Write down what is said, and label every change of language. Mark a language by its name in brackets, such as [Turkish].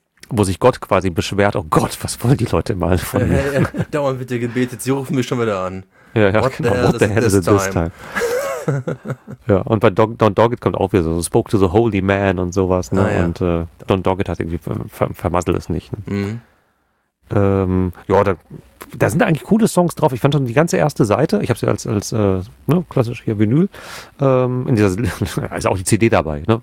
[German] Wo sich Gott quasi beschwert, oh Gott, was wollen die Leute mal von mir? Dauernd wird dir gebetet, sie rufen mich schon wieder an. Ja, [English] what the hell is it this time? [German] Ja, und bei Don't Dogg It kommt auch wieder so, [English] spoke to the holy man [German] und sowas, ne? Ja. Und Don't Dogg It hat irgendwie, vermassel es nicht. Ne? Mhm. Da sind eigentlich coole Songs drauf. Ich fand schon die ganze erste Seite, ich habe sie als ne, klassisch hier Vinyl, in dieser, ist auch die CD dabei, ne?